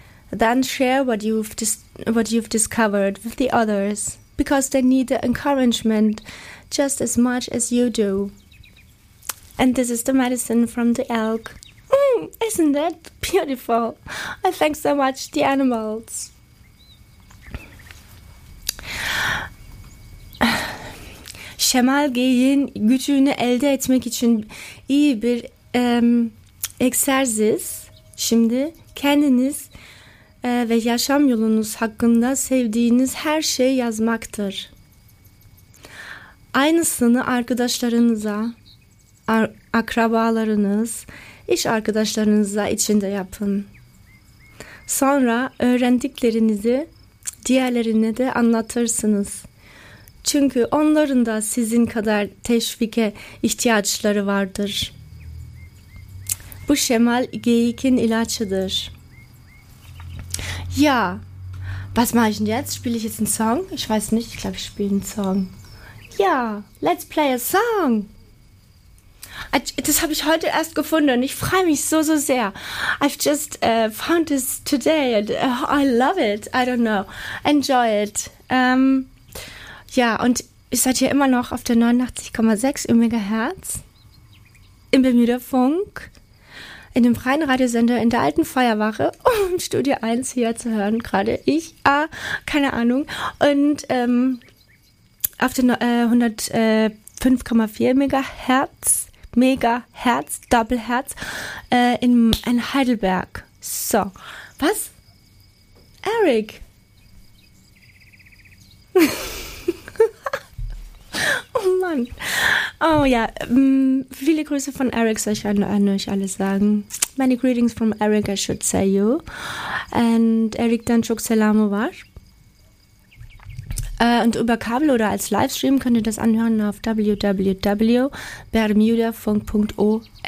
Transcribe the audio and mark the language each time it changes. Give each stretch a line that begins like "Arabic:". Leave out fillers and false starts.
English: Then share what you've discovered with the others, because they need the encouragement just as much as you do. And this is the medicine from the elk. Isn't that beautiful? I thank so much the animals.
Turkish: Şemal Gey'in gücünü elde etmek için iyi bir egzersiz. Şimdi kendiniz ve yaşam yolunuz hakkında sevdiğiniz her şeyi yazmaktır. Aynısını arkadaşlarınıza, akrabalarınız, İş arkadaşlarınıza içinde yapın. Sonra öğrendiklerinizi diğerlerine de anlatırsınız. Çünkü onların da sizin kadar teşvike ihtiyaçları vardır. Bu Şemal Geyik'in ilacıdır.
German: Ya, was mache ich denn jetzt? Spiele ich jetzt einen Song? Ich weiß nicht, ich glaube, ich spiele einen Song. Ja,
English: let's play a song!
German: Das habe ich heute erst gefunden. Ich freue mich so, so sehr.
English: I've just found this today. And, I love it. I don't know. Enjoy it.
German: Ja, und ihr seid hier immer noch auf der 89,6 im Megahertz, im Bermuda Funk, in dem freien Radiosender in der alten Feuerwache, um Studio 1 hier zu hören, gerade ich, keine Ahnung, und auf der 105,4 Megahertz, Megahertz, Doppelherz, in Heidelberg. So, was? Eric? Oh Mann. Oh ja, viele Grüße von Eric, soll ich an euch alle sagen.
English: Many greetings from Eric, I should say you. And Eric Danchuk Selamu Wash.
German: Und über Kabel oder als Livestream könnt ihr das anhören auf www.bermudafunk.org.